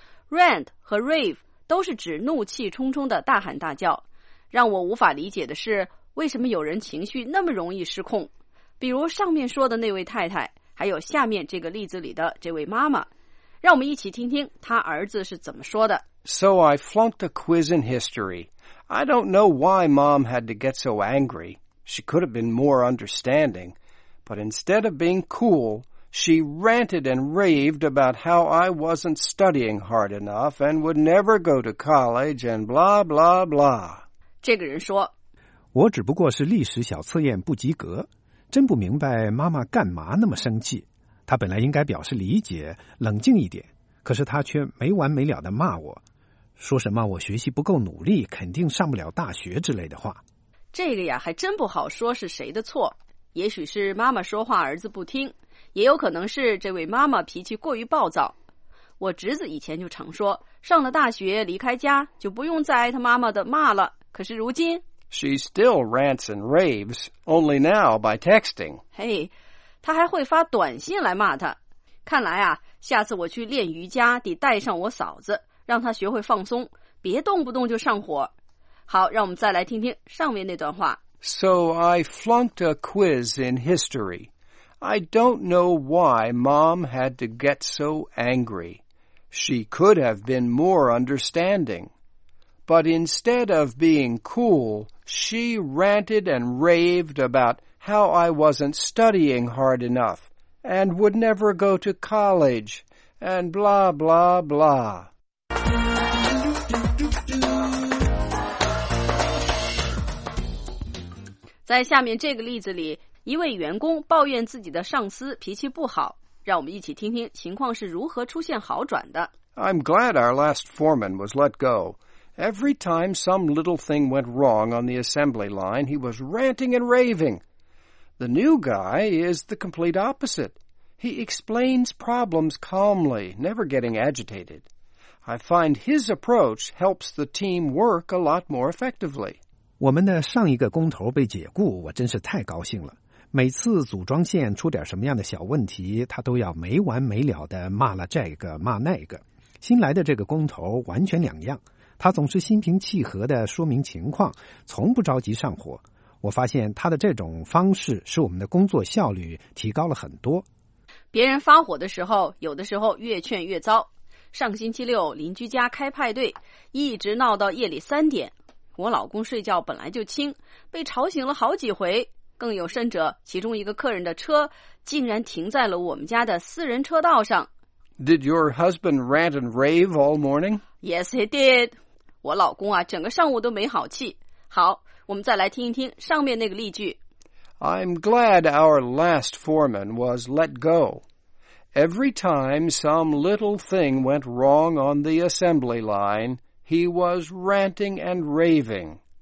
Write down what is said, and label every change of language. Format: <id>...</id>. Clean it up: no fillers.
<zh>Rant 和 rave 都是指怒气冲冲的大喊大叫。让我无法理解的是，为什么有人情绪那么容易失控？比如上面说的那位太太，还有下面这个例子里的这位妈妈，让我们一起听听她儿子是怎么说的。</zh> <en>So I flunked a quiz in history. I don't know why Mom had to get so angry. She could have been more understanding. But instead of being cool, she ranted and raved about how I wasn't studying hard enough and would never go to college and blah, blah, blah.</en> <zh>这个人说，我只不过是历史小测验不及格，真不明白妈妈干嘛那么生气。她本来应该表示理解，冷静一点，可是她却没完没了地骂我，说什么我学习不够努力，肯定上不了大学之类的话。这个呀，还真不好说是谁的错，也许是妈妈说话儿子不听，也有可能是这位妈妈脾气过于暴躁。我侄子以前就常说，上了大学离开家，就不用再挨他妈妈的骂了。可是如今</zh> <en>She still rants and raves, only now by texting.</en> <zh>嘿，他还会发短信来骂他。看来啊，下次我去练瑜伽得带上我嫂子，让他学会放松，别动不动就上火。好，让我们再来听听上面那段话。</zh> <en>So I flunked a quiz in history. I don't know why Mom had to get so angry. She could have been more understanding. But instead of being cool, she ranted and raved about how I wasn't studying hard enough and would never go to college and blah, blah, blah.</en> <zh>在下面这个例子里，一位员工抱怨自己的上司脾气不好，让我们一起听听情况是如何出现好转的。</zh> <en>I'm glad our last foreman was let go. Every time some little thing went wrong on the assembly line, he was ranting and raving. The new guy is the complete opposite. He explains problems calmly, never getting agitated. I find his approach helps the team work a lot more effectively.</en> <zh>我们的上一个工头被解雇，我真是太高兴了。每次组装线出点什么样的小问题，他都要没完没了地骂了这个骂那个。新来的这个工头完全两样，他总是心平气和地说明情况，从不着急上火。我发现他的这种方式使我们的工作效率提高了很多。别人发火的时候，有的时候越劝越糟。上星期六邻居家开派对，一直闹到夜里三点。我老公睡觉本来就轻，被吵醒了好几回。更有甚者，其中一个客人的车竟然停在了我们家的私人车道上。</zh> <en>Did your husband rant and rave all morning? Yes, he did.</en> <zh>我老公啊，整个上午都没好气。好，我们再来听一听上面那个例句。</zh> <en>I'm glad our last foreman was let go. Every time some little thing went wrong on the assembly line,He was ranting and raving.</en>